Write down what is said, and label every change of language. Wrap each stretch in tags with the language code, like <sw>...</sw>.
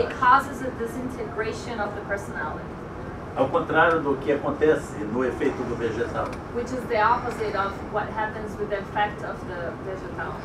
<en>It causes a disintegration of the personality.</en> <pt>Ao contrário do que acontece no efeito do vegetal.</pt> <en>Which is the opposite of what happens with the effect of the vegetal.</en>